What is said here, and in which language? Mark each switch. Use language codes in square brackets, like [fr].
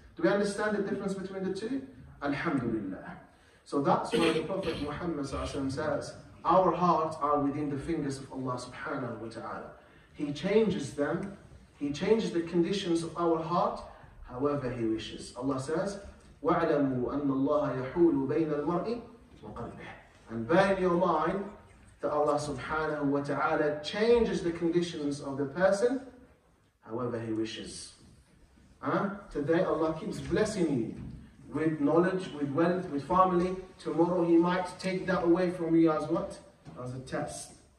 [en] Do we understand the difference between the two? Alhamdulillah. So that's why the Prophet Muhammad says, our hearts are within the fingers of Allah subhanahu wa ta'ala. He changes them, He changes the conditions of our heart however He wishes. Allah says, [ar] وَعْلَمُوا أَنَّ اللَّهَ يَحُولُ بَيْنَ الْمَرْءِ وَقَلْبِهِ. [en] And bear in your mind that Allah subhanahu wa ta'ala changes the conditions of the person however He wishes. Today Allah keeps blessing you with knowledge, with wealth, with family. Tomorrow He might take that away from you as what? As a test.